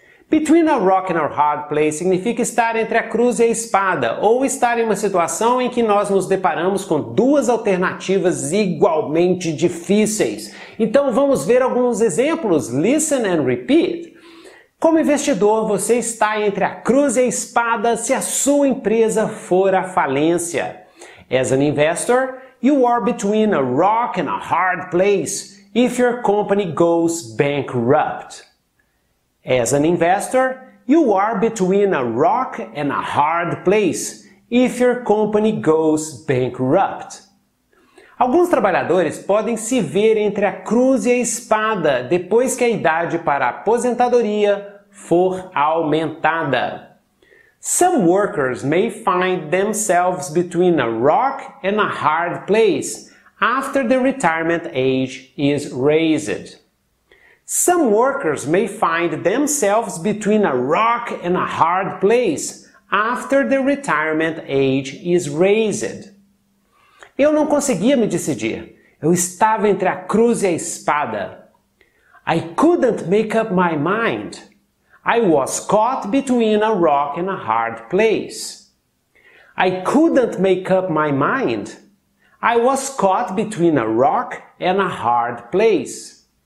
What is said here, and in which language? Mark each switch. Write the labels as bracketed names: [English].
[English] Between a rock and a hard place [Portuguese] significa estar entre a cruz e a espada, ou estar em uma situação em que nós nos deparamos com duas alternativas igualmente difíceis. Então vamos ver alguns exemplos. [English] Listen and repeat. [Portuguese] Como investidor, você está entre a cruz e a espada se a sua empresa for à falência. [English] As an investor, you are between a rock and a hard place if your company goes bankrupt. As an investor, you are between a rock and a hard place if your company goes bankrupt. [Portuguese] Alguns trabalhadores podem se ver entre a cruz e a espada depois que a idade para a aposentadoria for aumentada. [English] Some workers may find themselves between a rock and a hard place after the retirement age is raised. Some workers may find themselves between a rock and a hard place after the retirement age is raised. [Portuguese] Eu não conseguia me decidir. Eu estava entre a cruz e a espada. [English] I couldn't make up my mind. I was caught between a rock and a hard place. I couldn't make up my mind. I was caught between a rock and a hard place.